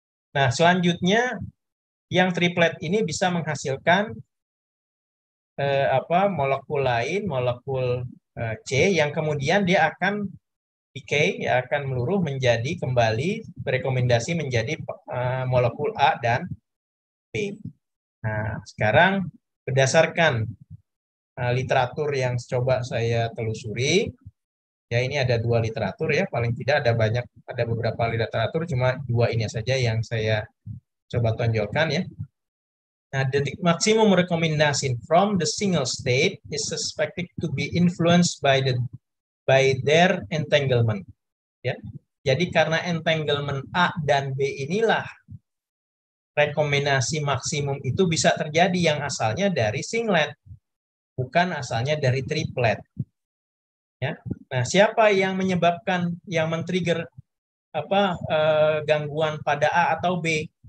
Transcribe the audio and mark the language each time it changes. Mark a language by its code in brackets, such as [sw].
[id] Nah, selanjutnya yang triplet ini bisa menghasilkan molekul lain, molekul C yang kemudian dia akan decay, ya, akan meluruh menjadi kembali berekomendasi menjadi molekul A dan B. Nah, sekarang berdasarkan literatur yang coba saya telusuri, ya ini ada dua literatur ya, paling tidak ada banyak, ada beberapa literatur, cuma dua ini saja yang saya coba tonjolkan ya. [en] Nah, the maximum recommendation from the single state is suspected to be influenced by the by their entanglement. [id] Ya. Jadi karena entanglement A dan B inilah rekomendasi maksimum itu bisa terjadi yang asalnya dari singlet, bukan asalnya dari triplet. Ya. Nah, siapa yang menyebabkan, yang men-trigger apa gangguan pada A atau B?